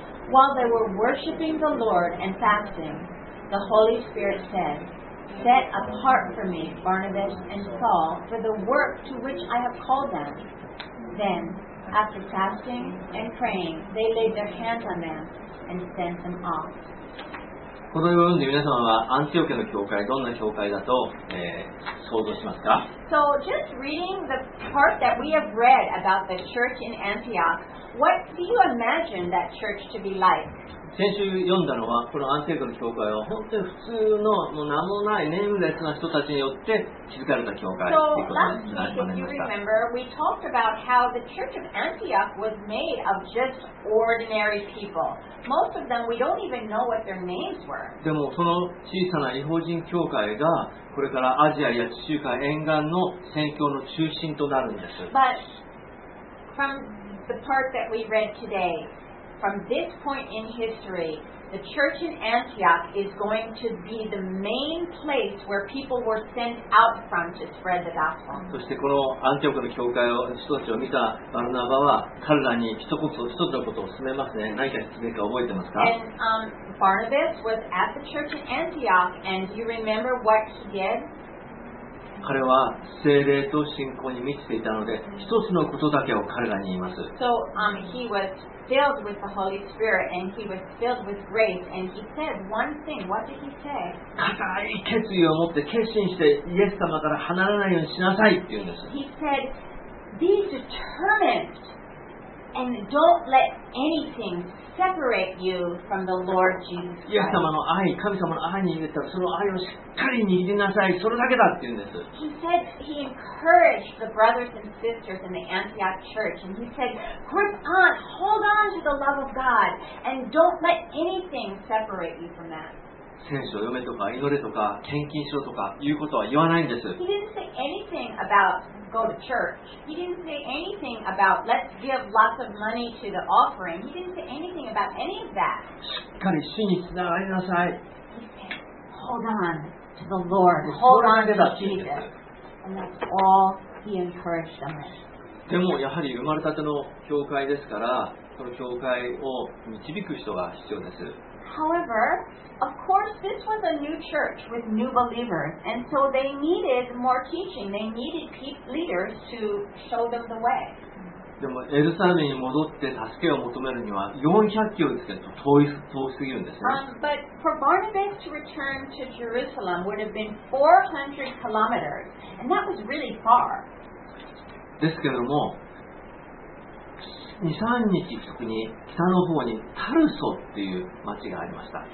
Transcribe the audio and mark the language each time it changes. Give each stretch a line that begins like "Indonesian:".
English: While they were worshipping the Lord and fasting, the Holy Spirit said, Set apart for me Barnabas and Saul for the work to which I have called them. Then,After fasting and praying, they laid their hands on them and sent them off.
Japanese: この部分で皆様はアンティオキアの教会、どんな教会だと、想像しますか?
English: So just reading the part that we have read about the church in Antioch, what do you imagine that church to be like?
Japanese: 先週読んだのは、このアンティオキアの教会は本当に普通のもう名もないネームレスな人たちによって築かれた教会ということになりました。
English: So last week, if you remember, we talked about how the church of Antioch was made of just ordinary people. Most of them, we don't even know what their names were.
Japanese: でもその小さな異邦人教会がこれからアジアや地中海沿岸の宣教の中心となるんです。
English: But from the part that we read today,From this point in history, the church in Antioch is going to be the main place where people were sent out from to spread the gospel.
Japanese: そしてこのアンティオクの教会を人たちを見たバルナバは彼らに一つ一つのことを勧めますね。何か説明か覚えてますか?
English: And Barnabas was at the church in Antioch, and you remember what he did?
Japanese: 彼は聖霊と信仰に満ちていたので、一つのことだけを彼らに言います。
English: So he was. Filled with the Holy Spirit, and he was filled with grace, and he said one thing. What did he say?
Japanese: 固い決意を持って決心してイエス様から離れないようにしなさいって言うんです。
English: He said, "Be determined, and don't let anything separate you from the Lord Jesus."
Japanese: イエス様の愛、神様の愛に言ったらその愛をしっかり握りなさい。それだけだって言うんです。
English: He said he encouraged the brothers and sisters in the Antioch church, and he said, "Grip on, hold on to the love of God, and don't let anything separate you from that."
Japanese: 聖書を読めとか祈れとか献金しろとかいうことは言わないんです。
English: He didn't say anything about go to church. He didn't say anything about let's give lots of money to the offering. He didn't say anything about any of that.
Japanese: しっかり主につながりなさい。
English: He said, "Hold on." To the Lord, hold on to Jesus, and that's all he encouraged them.
Japanese: でもやはり生まれたての教会ですから、その教会を導く人が必要です。
English: However, of course, this was a new church with new believers, and so they needed more teaching. They needed leaders to show them the way.
Japanese: でもエルサレムに戻って助けを求めるには400キロですけど遠すぎるんですね。
English: But for Barnabas to return to Jerusalem would have been 400 kilometers, and that was really far.
Japanese: ですけども、2、3日特に北の方にタルソっていう町がありました。